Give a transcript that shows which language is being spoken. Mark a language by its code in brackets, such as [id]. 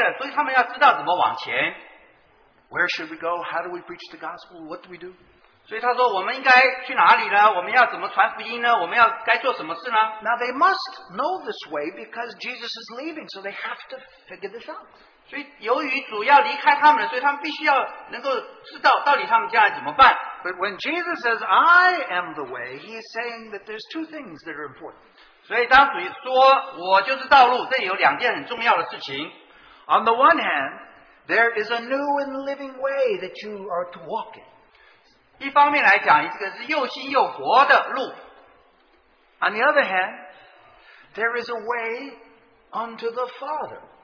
[zh] 现在门徒因为主耶稣要离开了，所以他们要知道怎么往前。 [en] Where should we go? How do we preach the gospel? What do we do? [zh] 所以他说我们应该去哪里呢？我们要怎么传福音呢？我们要该做什么事呢？ [en] Now they must know this way because Jesus is leaving, so they have to figure this out. [zh] 所以由于主要离开他们了，所以他们必须要能够知道到底他们将来怎么办。 [en] But when Jesus says, I am the way, he is saying that there's two things that are important. [zh] 所以当主说，我就是道路，这里有两件很重要的事情。 [en] On the one hand, there is a new and living way that you are to walk in. [zh] 一方面来讲，这个是又新又活的路。 [en] On the other hand, there is a way unto the Father.